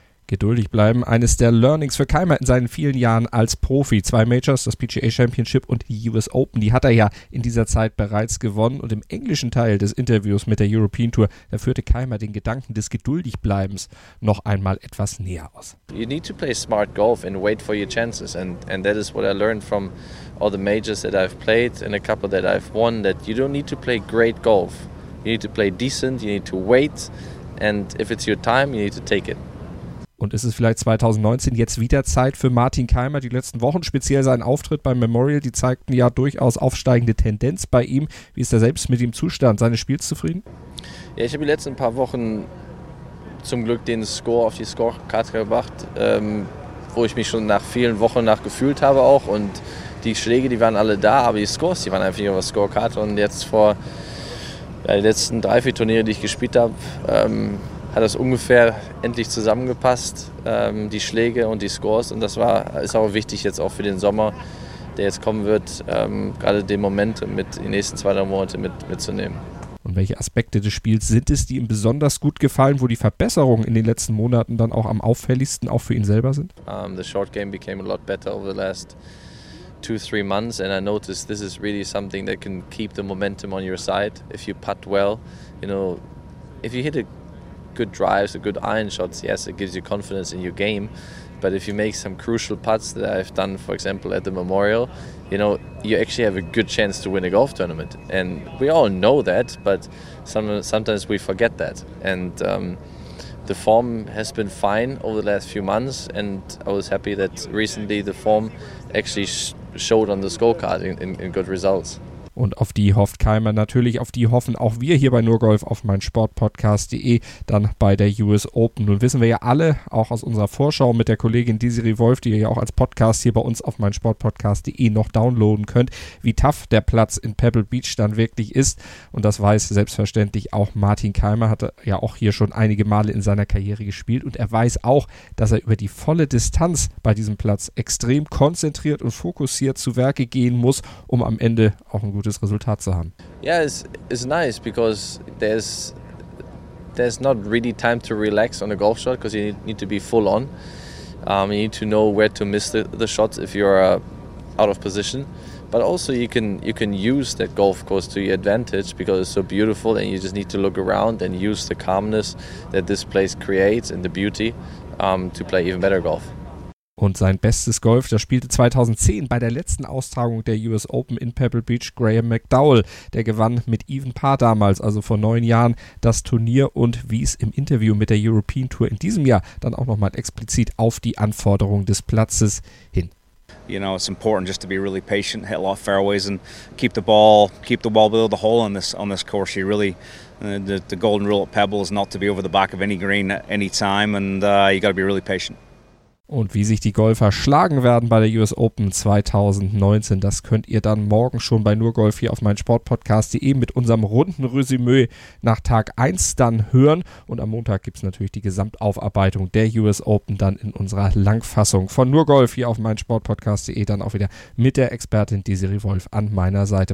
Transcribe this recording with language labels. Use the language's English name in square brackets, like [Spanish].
[German] Geduldig bleiben, eines der Learnings für Kaymer in seinen vielen Jahren als Profi. Zwei Majors, das PGA Championship und die US Open, die hat er ja in dieser Zeit bereits gewonnen. Und im englischen Teil des Interviews mit der European Tour, da führte Kaymer den Gedanken des Geduldigbleibens noch einmal etwas näher aus. [English] You need to play smart golf and wait for your chances. And that is what I learned from all the majors that I've played and a couple that I've won, that you don't need to play great golf. You need to play decent, you need to wait, and if it's your time, you need to take it. [German] Und ist es vielleicht 2019 jetzt wieder Zeit für Martin Kaymer? Die letzten Wochen, speziell sein Auftritt beim Memorial, die zeigten ja durchaus aufsteigende Tendenz bei ihm. Wie ist er selbst mit dem Zustand seines Spiels zufrieden? Ja, ich habe die letzten paar Wochen zum Glück den Score auf die Scorekarte gebracht, wo ich mich schon nach vielen Wochen nach gefühlt habe auch. Und die Schläge, die waren alle da, aber die Scores, die waren einfach nicht auf der Scorekarte. Und jetzt vor die letzten 3-4 Turniere, die ich gespielt habe, hat das ungefähr endlich zusammengepasst, die Schläge und die Scores. Und das ist auch wichtig jetzt auch für den Sommer, der jetzt kommen wird, gerade den Moment mit den nächsten 2-3 Monate mitzunehmen. Und welche Aspekte des Spiels sind es, die ihm besonders gut gefallen, wo die Verbesserungen in den letzten Monaten dann auch am auffälligsten auch für ihn selber sind? [English] The short game became a lot better over the last 2-3 months, and I noticed this is really something that can keep the momentum on your side if you putt well. You know, if you hit a good drives, a good iron shots, yes, it gives you confidence in your game. But if you make some crucial putts that I've done, for example, at the Memorial, you know, you actually have a good chance to win a golf tournament. And we all know that, but sometimes we forget that. And the form has been fine over the last few months, and I was happy that recently the form actually showed on the scorecard in good results. [German] Und auf die hofft Kaymer natürlich, auf die hoffen auch wir hier bei nurgolf auf meinsportpodcast.de, dann bei der US Open. Nun wissen wir ja alle, auch aus unserer Vorschau mit der Kollegin Desiree Wolf, die ihr ja auch als Podcast hier bei uns auf meinsportpodcast.de noch downloaden könnt, wie tough der Platz in Pebble Beach dann wirklich ist. Und das weiß selbstverständlich auch Martin Kaymer, hat ja auch hier schon einige Male in seiner Karriere gespielt. Und er weiß auch, dass er über die volle Distanz bei diesem Platz extrem konzentriert und fokussiert zu Werke gehen muss, um am Ende auch ein gutes Resultat zu haben. [English] Yeah, it's nice because there's not really time to relax on a golf shot because you need to be full on. You need to know where to miss the shots if you are out of position. But also you can use that golf course to your advantage because it's so beautiful and you just need to look around and use the calmness that this place creates and the beauty to play even better golf. [German] Und sein bestes Golf, das spielte 2010 bei der letzten Austragung der US Open in Pebble Beach, Graham McDowell. Der gewann mit Even Par damals, also vor 9 Jahren, das Turnier und wies im Interview mit der European Tour in diesem Jahr dann auch nochmal explizit auf die Anforderungen des Platzes hin. [English] You know, it's important just to be really patient, hit a lot of fairways and keep the ball below the hole on this course. You really, the golden rule at Pebble is not to be over the back of any green at any time and you got to be really patient. [German] Und wie sich die Golfer schlagen werden bei der US Open 2019, das könnt ihr dann morgen schon bei Nur Golf hier auf meinsportpodcast.de mit unserem runden Resümee nach Tag 1 dann hören. Und am Montag gibt es natürlich die Gesamtaufarbeitung der US Open dann in unserer Langfassung von Nur Golf hier auf meinsportpodcast.de dann auch wieder mit der Expertin Desiree Wolf an meiner Seite.